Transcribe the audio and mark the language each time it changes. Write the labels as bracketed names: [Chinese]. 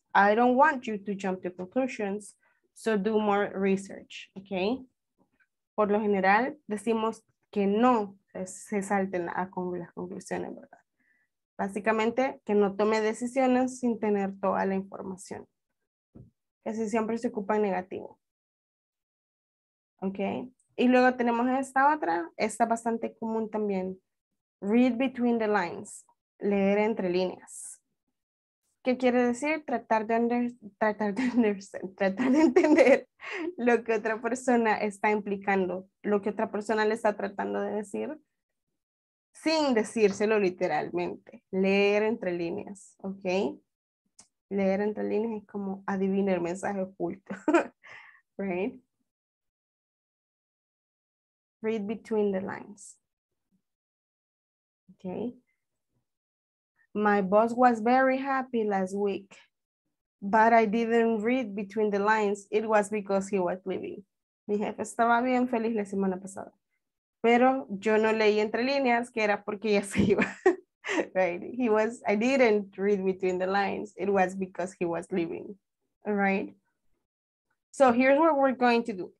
[English] I don't want you to jump to conclusions, so do more research, ¿ok? [Spanish] Por lo general decimos que no se salten las conclusiones, ¿verdad? Básicamente, que no tome decisiones sin tener toda la información. Casi siempre se ocupa en negativo. ¿Ok? Y luego tenemos esta otra. Esta bastante común también. [English] Read between the lines. [Spanish] Leer entre líneas. ¿Qué quiere decir? Tratar de entender lo que otra persona está implicando. Lo que otra persona le está tratando de decir. Sin decírselo literalmente. Leer entre líneas, ¿ok? Leer entre líneas es como adivinar el mensaje oculto, ¿right? [English] Read between the lines. ¿Ok? My boss was very happy last week, but I didn't read between the lines. It was because he was leaving. [Spanish] Mi jefe estaba bien feliz la semana pasada. Pero yo no leí entre líneas, que era porque ya se iba. [English] Right? I didn't read between the lines. It was because he was leaving. All right? So here's what we're going to do.